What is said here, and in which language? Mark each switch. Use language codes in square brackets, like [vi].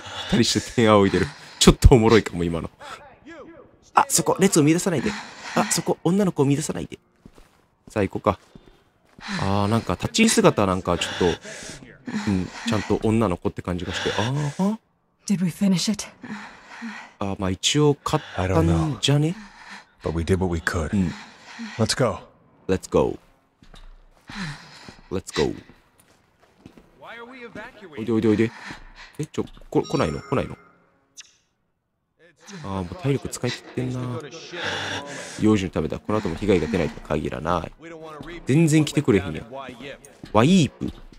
[ja] 二人して天仰いでる。ちょっとおもろいかも今の。あそこ列を乱さないで、あそこ女の子を乱さないで、さあ行こうか。あーなんか立ち姿なんかちょっと、うん、ちゃんと女の子って感じがして、あーは [en] Did we finish it? [ja] あーまあ一応勝ったんじゃね。 [en] But we did what we could、うん、Let's go. Let's go. Let's go [ja] おいでおいでおいで。え、ちょ、来ないの来ないの。ああ、もう体力使い切ってんな。用心のためだ。この後も被害が出ないと限らない。全然来てくれへんや。ワイープ。